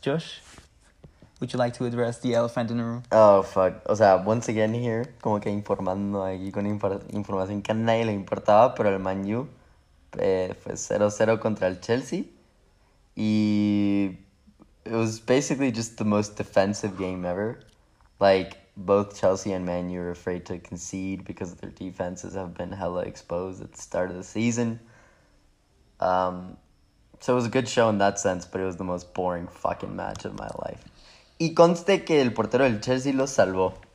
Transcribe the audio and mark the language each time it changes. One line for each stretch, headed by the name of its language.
English: Josh, would you like to address the elephant in the room? Oh fuck,
Spanish: o sea,
English: once again here,
Spanish: como que informando aquí con información que a nadie le importaba, pero el Man U fue 0-0 contra el Chelsea y
English: it was basically just the most defensive game ever. Like, both Chelsea and Man U are afraid to concede because their defenses have been hella exposed at the start of the season. So it was a good show in that sense, but it was the most boring fucking match of my life.
Spanish: Y conste que el portero del Chelsea lo salvó.